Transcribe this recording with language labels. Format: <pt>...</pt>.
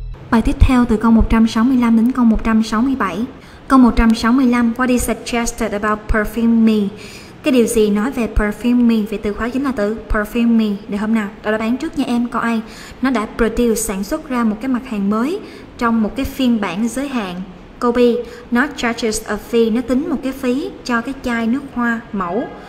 <vi>Bài tiếp theo từ câu 165 đến câu 167.</vi> <en>Câu 165, what is suggested about perfuming?</en> <vi>Cái điều gì nói về perfuming? Vì từ khóa chính là từ perfuming. Được không nào? Đó là đáp án trước nha em. Có ai? Nó đã produce, sản xuất ra một cái mặt hàng mới trong một cái phiên bản giới hạn. Câu B, nó</vi> <en>charges a fee,</en> <vi>nó tính một cái phí cho cái chai nước hoa mẫu.</vi>